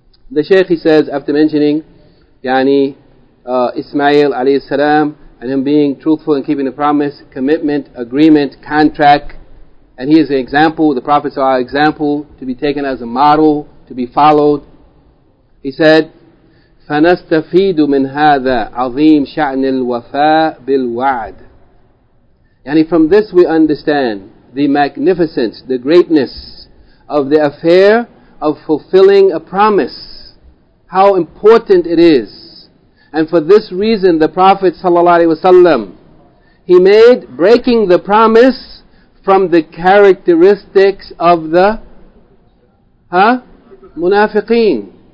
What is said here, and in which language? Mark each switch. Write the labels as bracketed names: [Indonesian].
[English] The Shaykh, he says, after mentioning Ismail alayhi salam and him being truthful and keeping the promise, commitment, agreement, contract, and he is an example, the prophets are our example, to be taken as a model, to be followed. He said, [Arabic] فَنَسْتَفِيدُ مِنْ هَذَا عَظِيمُ شَعْنِ الْوَفَاءِ بِالْوَعْدِ. [English] And from this we understand the magnificence, the greatness of the affair of fulfilling a promise. How important it is. And for this reason, the Prophet ﷺ, he made breaking the promise from the characteristics of the munafiqeen.